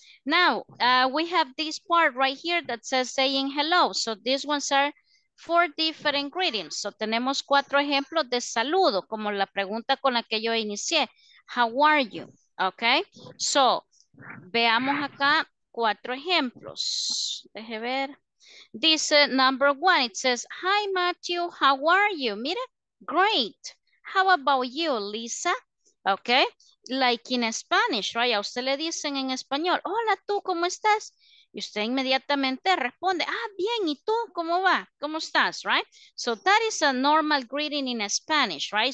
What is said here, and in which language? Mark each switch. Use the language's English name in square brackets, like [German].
[English] Now, we have this part right here that says saying hello. So these ones are four different greetings. [Spanish] So tenemos cuatro ejemplos de saludo, como la pregunta con la que yo inicié. [English] How are you? Okay. [Spanish] So, veamos acá cuatro ejemplos. Deje ver. [English] Dice number one, it says, hi Matthew, how are you? Mira, great. How about you, Lisa? Okay. Like in Spanish, right? [Spanish] A usted le dicen en español, hola tú, ¿cómo estás? Y usted inmediatamente responde, ah, bien, ¿y tú? ¿Cómo va? ¿Cómo estás? Right? [English] So that is a normal greeting in Spanish, right?